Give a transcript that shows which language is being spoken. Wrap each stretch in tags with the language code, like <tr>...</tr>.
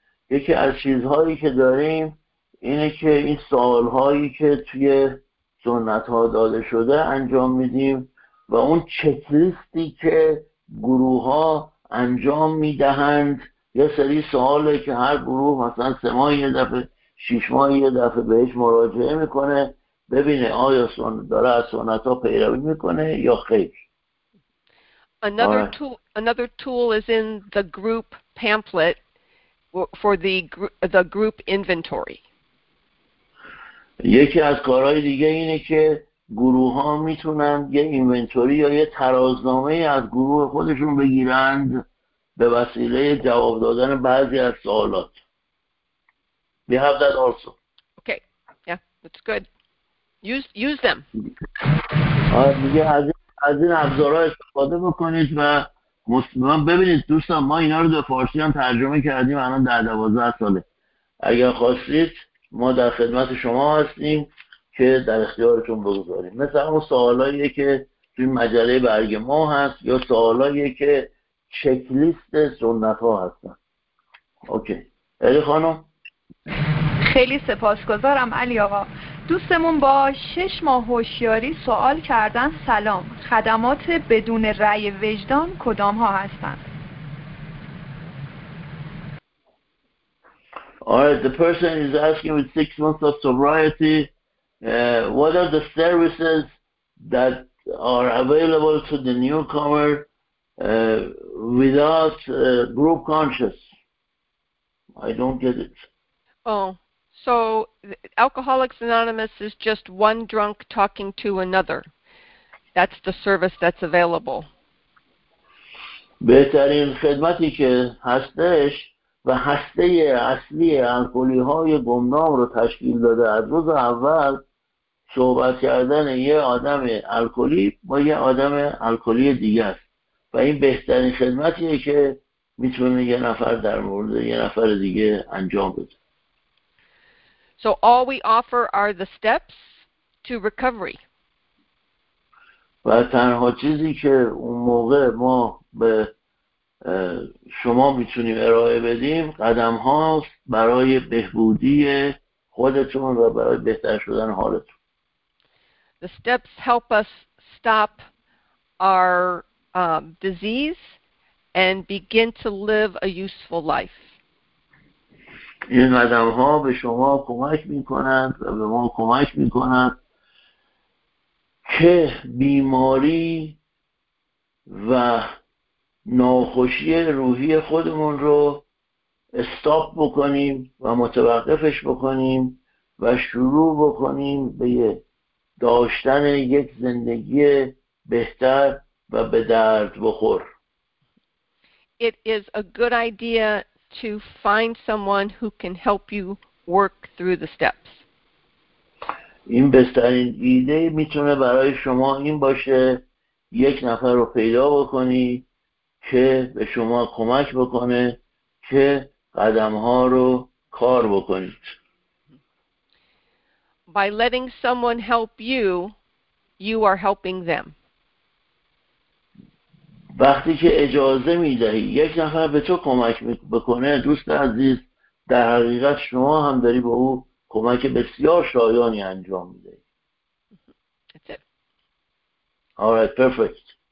<fa>یکی از چیزهایی که داریم اینه که این سوالهایی که توی سنت‌ها داده شده انجام میدیم و اون چکلیستی که گروه ها انجام میدهند، یه سری سواله که هر گروه مثلا 3 ماه یه دفعه 6 ماه یه دفعه بهش مراجعه میکنه ببینه آیا داره از سنت ها پیروی میکنه یا خیر.</fa> <en>Another tool is in the group pamphlet for the group inventory.</en> <fa>یکی از کارهای دیگه اینه که گروه ها میتونن یه اینونتوری یا یه ترازنامه از گروه خودشون بگیرند به وسیله جواب دادن بعضی از سوالات.</fa> <en>We have that also. Okay. Yeah, that's good. Use them.</en> <fa>دیگه از این ابزارها استفاده بکنید و مستمان ببینید. دوستان ما اینا رو به فارسی هم ترجمه کردیم الان 10-12 ساله. اگر خواستید ما در خدمت شما هستیم که در اختیارتون بگذاریم. مثلا اون سوالاییه که توی مجله برگ ما هست یا سوالاییه که چکلیست سنت ها هستن. اوکی. علی خانم. خیلی سپاسگزارم علی آقا. دوستمون با 6 ماه هوشیاری سوال کردن سلام، خدمات بدون رأی وجدان کدام ها هستن؟</fa> <en>Alright, the person is asking with 6 months of sobriety, what are the services that are available to the newcomer without group conscious? I don't get it. Oh, so Alcoholics Anonymous is just one drunk talking to another. That's the service that's available.</en> <fa>بهترین خدمتی که هستش و هسته اصلی الکلی های گمنام رو تشکیل داده از روز اول صحبت کردن یه آدم الکلی با یه آدم الکلی دیگه است و این بهترین خدمتیه که میتونه یه نفر در مورد یه نفر دیگه انجام بده.</fa> <en>So all we offer are the steps to recovery.</en> <fa>و تنها چیزی که اون موقع ما به شما میتونیم ارائه بدیم قدم هاست برای بهبودی خودتون و برای بهتر شدن حالتون.</fa> <en>The steps help us stop our disease and begin to live a useful life.</en> <fa>این قدم ها به شما کمک میکنند و به ما کمک میکنند که بیماری و ناخوشی روحی خودمون رو استاپ بکنیم و متوقفش بکنیم و شروع بکنیم به داشتن یک زندگی بهتر و به درد بخور.</fa> <en>It is a good idea to find someone who can help you work through the steps.</en> <fa>این بهترین ایده میتونه برای شما این باشه یک نفر رو پیدا بکنی که به شما کمک بکنه که قدم ها رو کار بکنید.</fa> <en>By letting someone help you, you are helping them.</en> <fa>وقتی که اجازه میدهی یک نفر به تو کمک بکنه، دوست عزیز، در حقیقت شما هم داری به او کمک بسیار شایانی انجام میدهی.</fa> <en>Alright, perfect.</en>